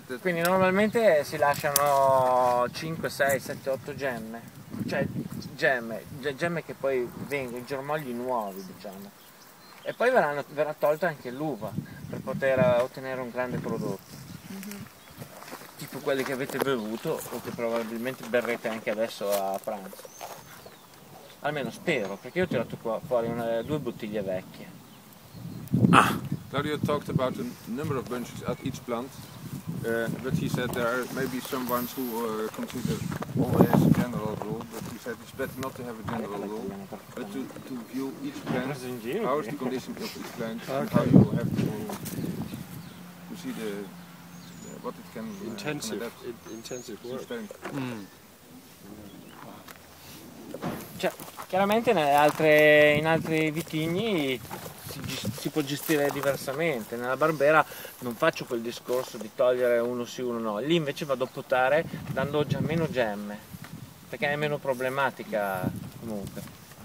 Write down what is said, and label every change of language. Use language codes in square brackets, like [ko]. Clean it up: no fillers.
[it] quindi normalmente si lasciano 5, 6, 7, 8 gemme, cioè gemme che poi vengono, germogli nuovi diciamo, e poi verrà tolta anche l'uva per poter ottenere un grande prodotto, mm-hmm. tipo quelli che avete bevuto o che probabilmente berrete anche adesso a pranzo. Almeno spero, perché io ho tirato fuori due bottiglie vecchie. Ah. [en] Claudio talked about a number of bunches at each plant, but he said there are maybe some ones who consider always a general rule, but he said it's better not to have a general rule, but to view each plant, how is the condition of each plant, okay. And how you have to see what it can adapt. Intensive work. [it] Cioè, chiaramente in altri vitigni si può gestire diversamente. Nella Barbera non faccio quel discorso di togliere uno sì uno no, lì invece vado a potare dando già meno gemme, perché è meno problematica comunque.